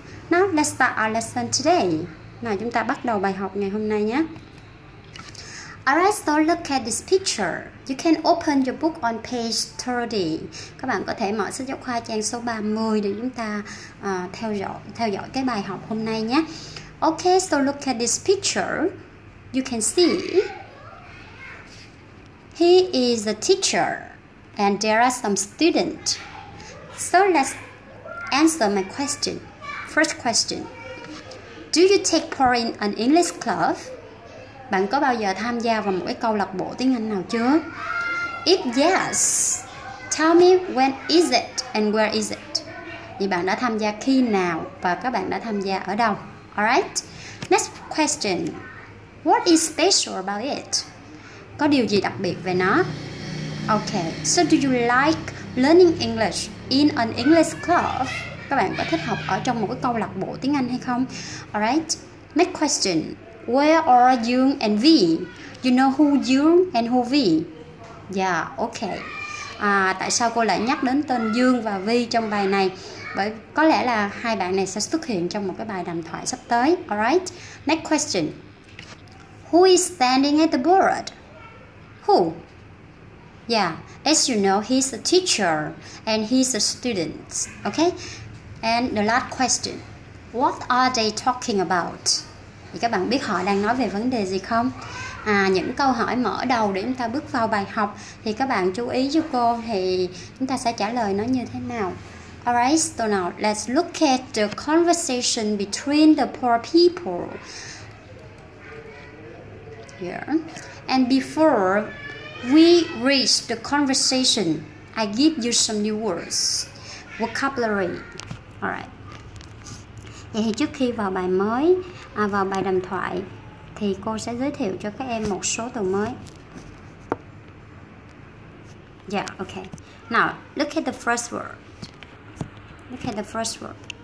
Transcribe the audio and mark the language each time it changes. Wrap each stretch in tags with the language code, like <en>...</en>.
<en>Now, let's start our lesson today.</en> <vi>Nào, chúng ta bắt đầu bài học ngày hôm nay nhé.</vi> <en>Alright, so look at this picture. You can open your book on page 30.</en> <vi>Các bạn có thể mở sách giáo khoa trang số 30 để chúng ta theo dõi cái bài học hôm nay nhé.</vi> <en>Ok, so look at this picture. You can see he is a teacher and there are some students. So let's answer my question. First question. Do you take part in an English club?</en> <vi>Bạn có bao giờ tham gia vào một cái câu lạc bộ tiếng Anh nào chưa?</vi> <en>If yes, tell me when is it and where is it?</en> <vi>Vậy bạn đã tham gia khi nào và các bạn đã tham gia ở đâu?</vi> <en>Alright? Next question. What is special about it?</en> <vi>Có điều gì đặc biệt về nó?</vi> <en>Okay, so do you like learning English in an English club?</en> <vi>Các bạn có thích học ở trong một cái câu lạc bộ tiếng Anh hay không?</vi> <en>Alright, next question. Where are you and we? You know who you and who we? Yeah, okay.</en> <vi>Tại sao cô lại nhắc đến tên Dương và Vi trong bài này? Bởi có lẽ là hai bạn này sẽ xuất hiện trong một cái bài đàm thoại sắp tới.</vi> <en>Alright, next question. Who is standing at the board? Who? Yeah, as you know, he's a teacher and he's a student. Okay? And the last question. What are they talking about?</en> <vi>Thì các bạn biết họ đang nói về vấn đề gì không? Những câu hỏi mở đầu để chúng ta bước vào bài học thì các bạn chú ý cho cô thì chúng ta sẽ trả lời nó như thế nào.</vi> <en>Alright, so now let's look at the conversation between the poor people. Here. And before we reach the conversation, I give you some new words, vocabulary. All right.</en> <vi>Vậy thì trước khi vào bài mới, vào bài đàm thoại, thì cô sẽ giới thiệu cho các em một số từ mới.</vi> <en>Yeah, okay. Now, look at the first word. Look at the first word.</en>